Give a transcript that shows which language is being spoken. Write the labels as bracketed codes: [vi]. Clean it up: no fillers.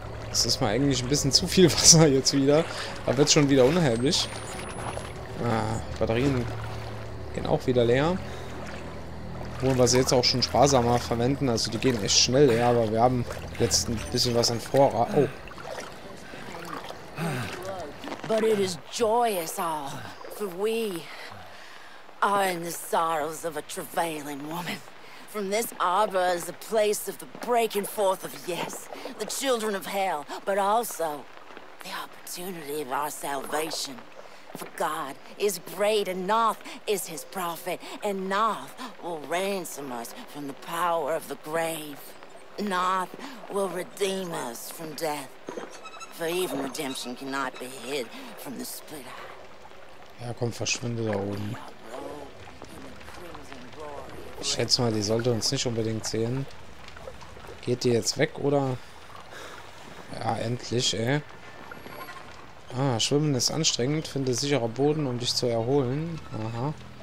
[de] Das ist mal eigentlich ein bisschen zu viel Wasser jetzt wieder. Da wird es schon wieder unheimlich. Batterien gehen auch wieder leer. Obwohl wir sie jetzt auch schon sparsamer verwenden. Also die gehen echt schnell leer, aber wir haben jetzt ein bisschen was an Vorrat. Oh. [en] But it is joyous all, for we are in the sorrows of a travailing woman. From this arbor is a place of the breaking forth of, yes, the children of hell, but also the opportunity of our salvation. For God is great, and Noth is his prophet, and Noth will ransom us from the power of the grave. Noth will redeem us from death, for even redemption cannot be hid from the split eye. [de] Ja, komm, verschwinde da oben. Ich schätze mal, die sollte uns nicht unbedingt sehen. Geht die jetzt weg, oder? Ja, endlich, ey. Ah, schwimmen ist anstrengend. Finde sicherer Boden, um dich zu erholen. Aha.